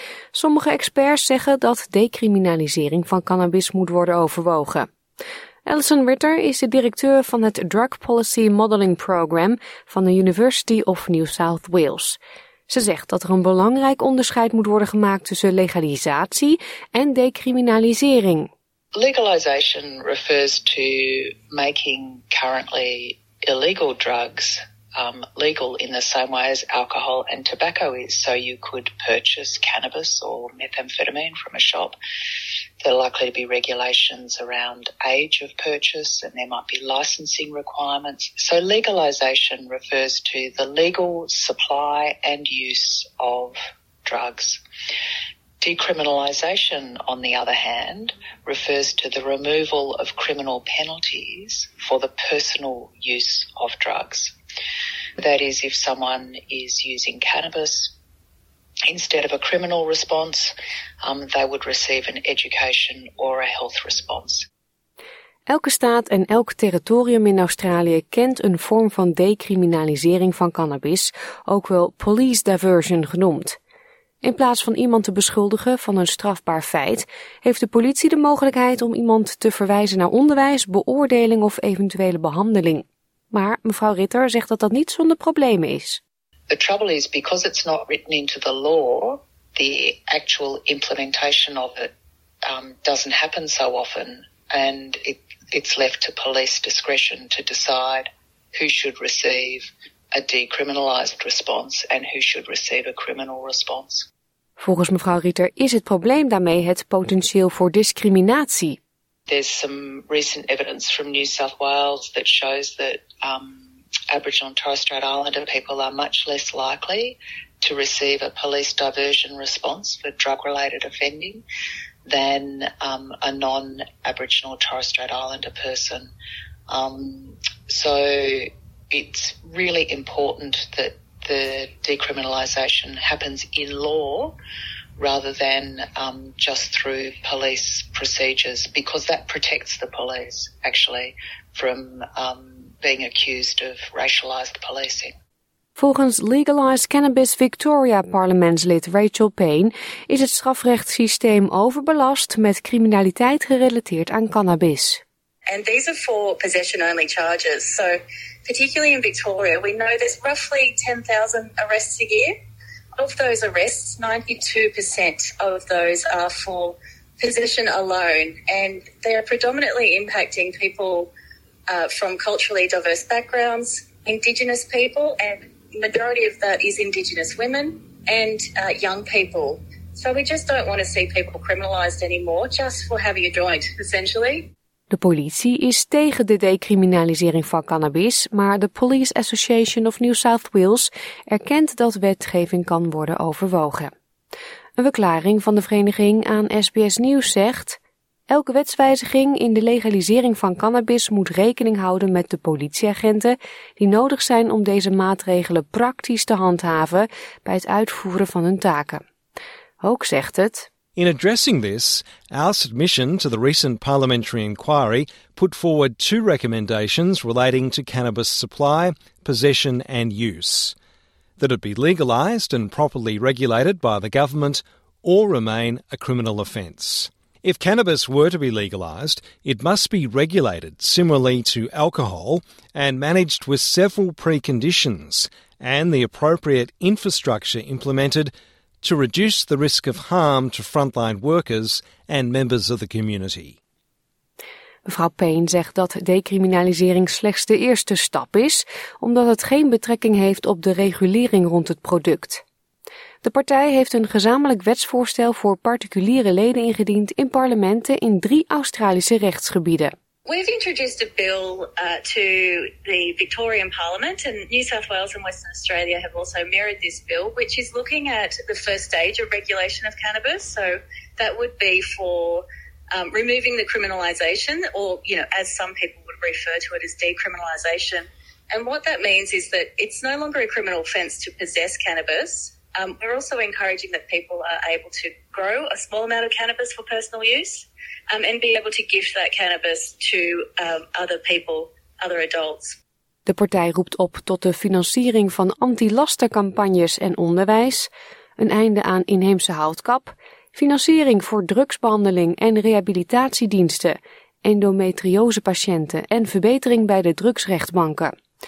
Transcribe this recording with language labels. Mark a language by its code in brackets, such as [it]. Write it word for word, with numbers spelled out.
[nl] Sommige experts zeggen dat decriminalisering van cannabis moet worden overwogen. Alison Ritter is de directeur van het Drug Policy Modeling Program van de University of New South Wales. Ze zegt dat er een belangrijk onderscheid moet worden gemaakt tussen legalisatie en decriminalisering. [en] Legalization refers to making currently illegal drugs um, legal in the same way as alcohol and tobacco is. So you could purchase cannabis or methamphetamine from a shop. There are likely to be regulations around age of purchase and there might be licensing requirements. So legalization refers to the legal supply and use of drugs. Decriminalisation, on the other hand, refers to the removal of criminal penalties for the personal use of drugs. That is, if someone is using cannabis, instead of a criminal response, um, they would receive an education or a health response. [nl] Elke staat en elk territorium in Australië kent een vorm van decriminalisering van cannabis, ook wel police diversion genoemd. In plaats van iemand te beschuldigen van een strafbaar feit, heeft de politie de mogelijkheid om iemand te verwijzen naar onderwijs, beoordeling of eventuele behandeling. Maar mevrouw Ritter zegt dat dat niet zonder problemen is. [en] The trouble is, because it's not written into the law, the actual implementation of it um, doesn't happen so often, and it, it's left to police discretion to decide who should receive a decriminalised response and who should receive a criminal response. [nl] Volgens mevrouw Ritter is het probleem daarmee het potentieel voor discriminatie. [en] There's some recent evidence from New South Wales that shows that um, Aboriginal and Torres Strait Islander people are much less likely to receive a police diversion response for drug-related offending than um, a non-Aboriginal and Torres Strait Islander person. Um, so... It's really important that the decriminalisation happens in law rather than um, just through police procedures, because that protects the police actually from um, being accused of racialised policing. [nl] Volgens Legalise Cannabis Victoria parlementslid Rachel Payne is het strafrechtssysteem overbelast met criminaliteit gerelateerd aan cannabis. [en] And these are for possession-only charges. So particularly in Victoria, we know there's roughly ten thousand arrests a year. Of those arrests, ninety-two percent of those are for possession alone. And they're predominantly impacting people uh, from culturally diverse backgrounds, Indigenous people, and the majority of that is Indigenous women and uh, young people. So we just don't want to see people criminalised anymore just for having a joint, essentially. [nl] De politie is tegen de decriminalisering van cannabis, maar de Police Association of New South Wales erkent dat wetgeving kan worden overwogen. Een verklaring van de vereniging aan S B S Nieuws zegt: elke wetswijziging in de legalisering van cannabis moet rekening houden met de politieagenten die nodig zijn om deze maatregelen praktisch te handhaven bij het uitvoeren van hun taken. Ook zegt het: [en] in addressing this, our submission to the recent parliamentary inquiry put forward two recommendations relating to cannabis supply, possession and use: that it be legalised and properly regulated by the government or remain a criminal offence. If cannabis were to be legalised, it must be regulated similarly to alcohol and managed with several preconditions and the appropriate infrastructure implemented to reduce the risk of harm to frontline workers and members of the community. [nl] Mevrouw Payne zegt dat decriminalisering slechts de eerste stap is, omdat het geen betrekking heeft op de regulering rond het product. De partij heeft een gezamenlijk wetsvoorstel voor particuliere leden ingediend in parlementen in drie Australische rechtsgebieden. [en] We've introduced a bill uh, to the Victorian Parliament, and New South Wales and Western Australia have also mirrored this bill, which is looking at the first stage of regulation of cannabis. So that would be for um, removing the criminalisation, or, you know, as some people would refer to it, as decriminalisation. And what that means is that it's no longer a criminal offence to possess cannabis. Um, we're also encouraging that people are able to grow a small amount of cannabis for personal use um, and be able to gift that cannabis to um, other people, other adults. [nl] De partij roept op tot de financiering van anti-lastencampagnes en onderwijs, een einde aan inheemse houtkap, financiering voor drugsbehandeling en rehabilitatiediensten, endometriosepatiënten en verbetering bij de drugsrechtbanken.